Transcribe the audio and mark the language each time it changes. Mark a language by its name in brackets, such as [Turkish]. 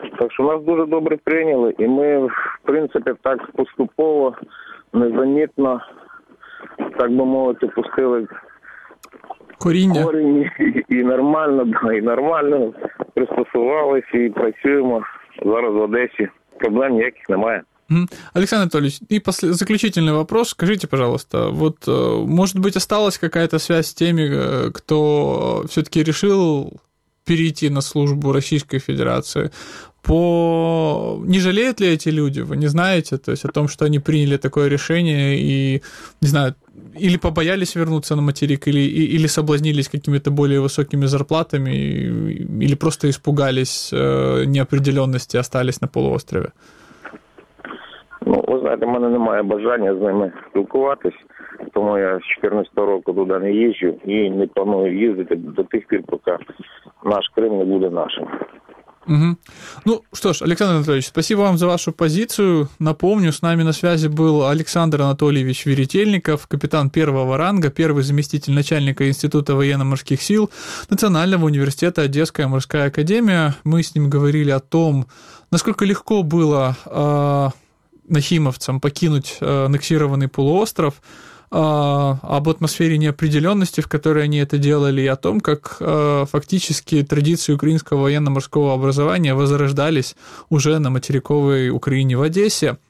[Ukrainian] Так що нас дуже добре прийняли, і ми, в принципі, так поступово, незамітно, так би мовити, пустили корінь і нормально пристосувалися, і працюємо зараз в Одесі. Проблем ніяких немає. [Russian] Александр Анатольевич, и заключительный вопрос. Скажите, пожалуйста, вот, может быть, осталась какая-то связь с теми, кто все-таки решил перейти на службу Российской Федерации? Не жалеют ли эти люди? Вы не знаете, то есть о том, что они приняли такое решение и, не знаю, или побоялись вернуться на материк, или соблазнились какими-то более высокими зарплатами, или просто испугались неопределенности, остались на полуострове? [Ukrainian] Ну, ви знаєте, в мене немає бажання з ними спілкуватись, тому я з 2014 року туди не їжджу і не планую їздити до тих пір, поки наш Крим не буде нашим. Угу. [Russian] Ну что ж, Александр Анатольевич, спасибо вам за вашу позицию. Напомню, с нами на связи был Александр Анатольевич Веретельников, капитан первого ранга, первый заместитель начальника Института военно-морских сил Национального университета Одесская морская академия. Мы с ним говорили о том, насколько легко было нахимовцам покинуть аннексированный полуостров, об атмосфере неопределенности, в которой они это делали, и о том, как фактически традиции украинского военно-морского образования возрождались уже на материковой Украине в Одессе.